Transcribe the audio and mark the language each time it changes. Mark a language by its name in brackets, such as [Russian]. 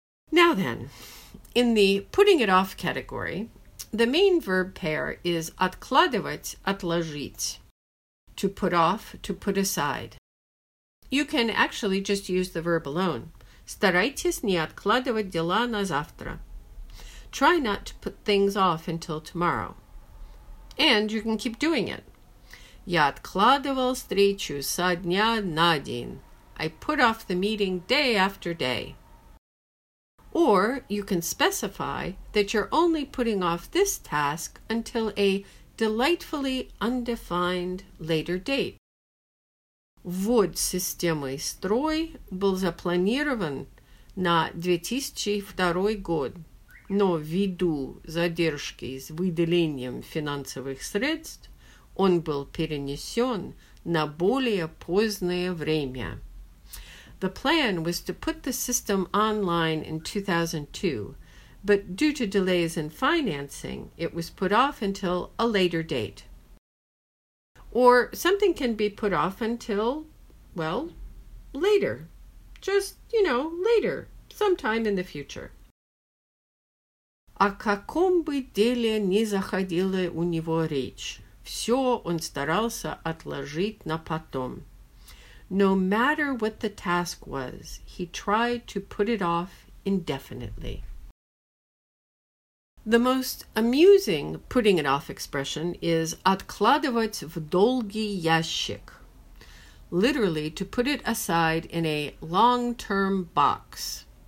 [English] Now then, in the putting it off category, the main verb pair is откладывать, отложить, to put off, to put aside. You can actually just use the verb alone. [Russian] Старайтесь не откладывать дела на завтра. [English] Try not to put things off until tomorrow. And you can keep doing it. [Russian] Я откладывал встречу со дня на день. [English] I put off the meeting day after day. Or you can specify that you're only putting off this task until a delightfully undefined later date. [Russian] Ввод системы строй был запланирован на 2002 год, но ввиду задержки с выделением финансовых средств он был перенесен на более позднее время. [English] The plan was to put the system online in 2002, but due to delays in financing, it was put off until a later date. Or something can be put off until, well, later. Just, you know, later, sometime in the future. [Russian] О каком бы деле ни заходила у него речь, все он старался отложить на потом. [English] No matter what the task was, he tried to put it off indefinitely. The most amusing putting it off expression is [Russian] откладывать в долгий ящик, [English] literally to put it aside in a long-term box.